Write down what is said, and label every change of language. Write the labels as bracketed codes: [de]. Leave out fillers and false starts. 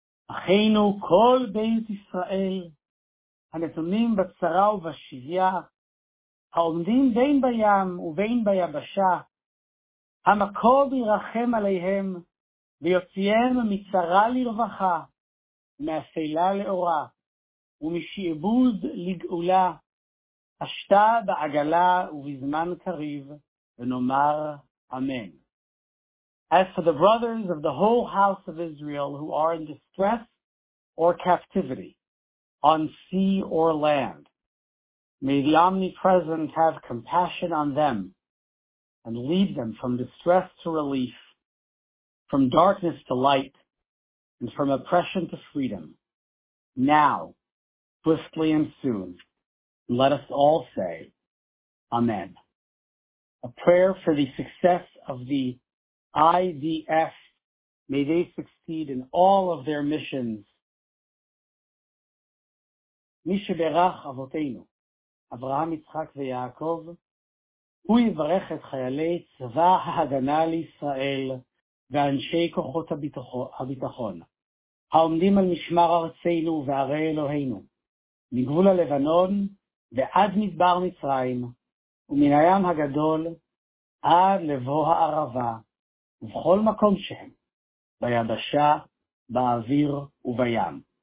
[he] אחינו כל בית ישראל, הנתונים בצרה ובשביה, העומדים בין בים ובין ביבשה, המקום ירחם עליהם, ויוציאם מצרה לרווחה, מאפלה לאורה, ומשעבוד לגאולה, אשתה בעגלה ובזמן קריב, ונאמר אמן. [en] As for the brothers of the whole house of Israel who are in distress or captivity, on sea or land, may the Omnipresent have compassion on them and lead them from distress to relief, from darkness to light, and from oppression to freedom. Now, swiftly and soon, let us all say, Amen. A prayer for the success of the IDF. May they succeed in all of their missions. [he] מי שברך אבותינו, אברהם, יצחק ויעקב, הוא יברך את חיילי צבא ההגנה לישראל ואנשי כוחות הביטחון, העומדים על משמר ארצנו וערי אלוהינו, מגבול הלבנון ועד מדבר מצרים, ומן הים הגדול עד לבוא הערבה, ובכל מקום שהם, ביבשה, באוויר ובים.